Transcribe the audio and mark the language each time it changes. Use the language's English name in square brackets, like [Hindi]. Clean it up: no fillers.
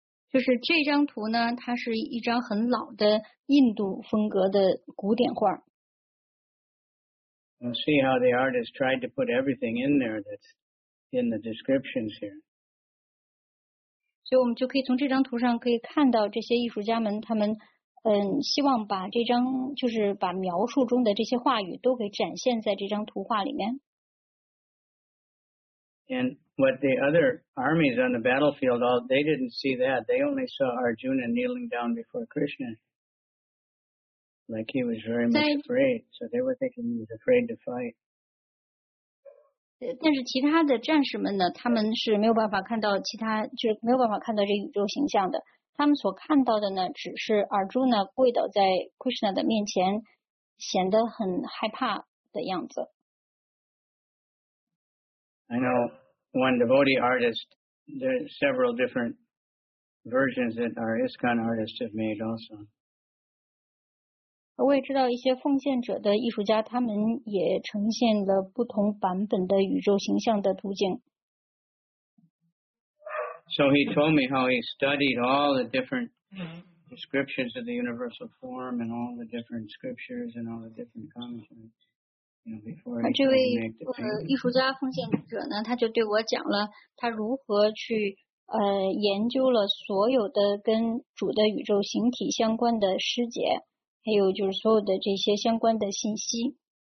[Chinese] 就是这张图呢，它是一张很老的印度风格的古典画。 [English] We'll see how the artist tried to put everything in there that's in the descriptions here. [Chinese] 所以我们就可以从这张图上可以看到这些艺术家们他们希望把这张就是把描述中的这些话语都给展现在这张图画里面。 [English] And what the other armies on the battlefield, all, they didn't see that. They only saw Arjuna kneeling down before Krishna. Like he was very much afraid. So they were thinking he was afraid to fight. [Chinese] 但是其他的战士们呢，他们是没有办法看到其他，就是没有办法看到这宇宙形象的。他们所看到的呢，只是 Arjuna 跪倒在 Krishna 的面前，显得很害怕的样子。 [English] I know one devotee artist, there are several different versions that our ISKCON artists have made also. [Chinese] 我也知道一些奉献者的艺术家，他们也呈现了不同版本的宇宙形象的图景。 [English] So he told me how he studied all the different descriptions of the universal form and all the different scriptures and all the different commentaries. [Chinese] 这位艺术家奉献者呢，他就对我讲了他如何去研究了所有的跟主的宇宙形体相关的师姐，还有就是所有的这些相关的信息。